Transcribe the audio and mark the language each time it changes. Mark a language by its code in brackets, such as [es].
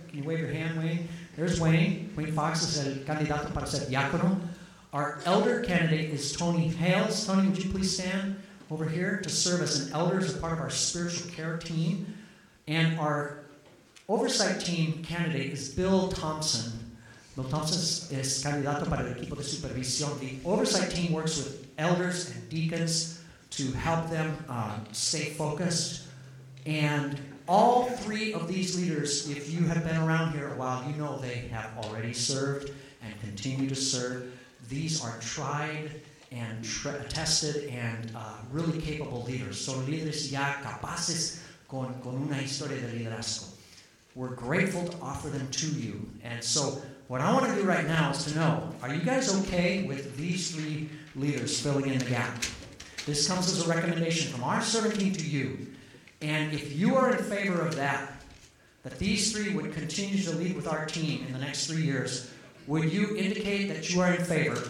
[en] Can you wave your hand, Wayne? There's Wayne. Wayne Fox is [es] el candidato para ser diácono. [en] Our elder candidate is Tony Hales. Tony, would you please stand over here to serve as an elder, as a part of our spiritual care team. And our oversight team candidate is Bill Thompson. [es] Bill Thompson is candidato para el equipo de supervisión. [en] The oversight team works with elders and deacons to help them stay focused. And all 3 of these leaders, if you have been around here a while, you know they have already served and continue to serve. These are tried and tested and really capable leaders. [es] Son líderes ya capaces con una historia de liderazgo. [en] We're grateful to offer them to you. And so what I want to do right now is to know, are you guys okay with these 3 leaders filling in the gap? This comes as a recommendation from our servant team to you. And if you are in favor of that, that these 3 would continue to lead with our team in the next 3 years, would you indicate that you are in favor?